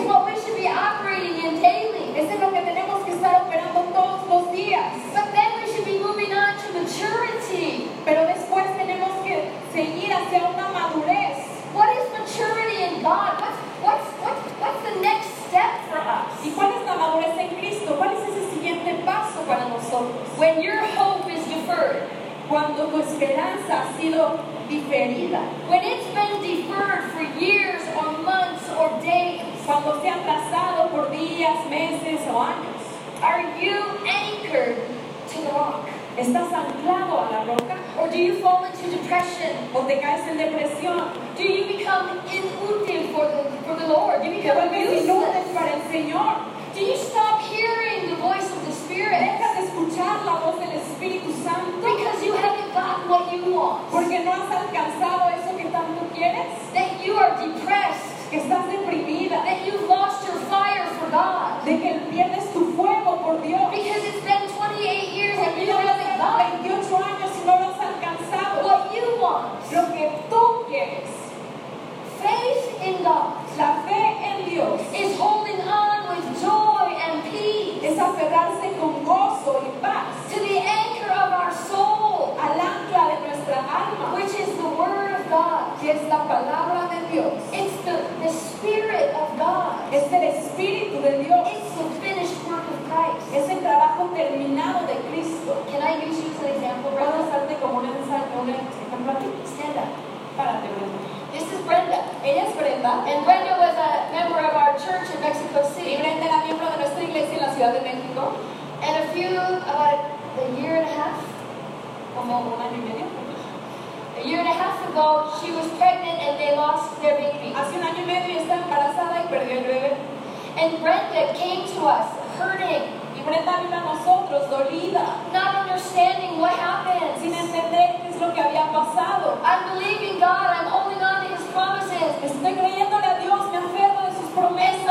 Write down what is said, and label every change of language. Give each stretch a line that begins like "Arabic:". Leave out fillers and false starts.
English: is what we should be operating in daily.
Spanish: Es en lo que tenemos que estar operando todos los días.
English: But then we should be moving on to maturity.
Spanish: Pero después tenemos que seguir hacia una madurez.
English: What is maturity in God? What's the next step for us?
Spanish: ¿Y cuál es la madurez en Cristo? ¿Cuál es ese siguiente paso para nosotros?
English: When your hope is deferred.
Spanish: Cuando tu esperanza ha sido diferida.
English: When it's been deferred for years or months or days.
Spanish: Cuando se ha atrasado por días, meses o años.
English: Are you anchored to the rock?
Spanish: ¿Estás anclado a la roca?
English: Or do you fall into depression?
Spanish: ¿O te caes en depresión?
English: Do you become inútil for the Lord? Do you become
Spanish: inútil para el Señor?
English: Do you stop hearing the voice of the Spirit?
Spanish: Deja de escuchar la voz del Espíritu Santo.
English: Because you haven't gotten what you want.
Spanish: Porque no has alcanzado eso que tanto quieres.
English: That you are depressed.
Spanish: Que estás deprimida.
English: That you've lost your fire for God.
Spanish: De que pierdes tu fuego por Dios.
English: Because it's been 28 years and you haven't gotten.
Spanish: 28 años y no lo has alcanzado.
English: What you want.
Spanish: Lo que tú quieres.
English: Faith in God.
Spanish: La fe en Dios.
English: Is holding on with joy and peace.
Spanish: Es aferrarse con gozo y paz.
English: To the anchor of our soul.
Spanish: Al ancla de nuestra alma.
English: Which is the word of God.
Spanish: Que es la palabra de Dios.
English: It's the spirit of God.
Spanish: Es el espíritu de Dios.
English: It's the finished work of Christ.
Spanish: Es el trabajo terminado de Cristo.
English: Can I use you as an example?
Spanish: ¿Puedo usarte como un ejemplo?
English: Stand up.
Spanish: Párate, Rhonda.
English: This is Brenda.
Spanish: Ella es Brenda.
English: And Brenda was a member of our church in Mexico City.
Spanish: Y Brenda era miembro de nuestra iglesia en la Ciudad de México.
English: And a few, about a year and a half,
Spanish: como un año y medio.
English: A year and a half ago, she was pregnant and they lost their baby.
Spanish: Hace un año y medio estaba embarazada y perdió el bebé.
English: And Brenda came to us hurting.
Spanish: Y Brenda vino a nosotros dolida.
English: Not understanding what happened.
Spanish: Sin entender qué es lo que había pasado.
English: I'm believing God. I'm holding on to His promises.
Spanish: Estoy creyéndole a Dios. Me aferro de sus promesas.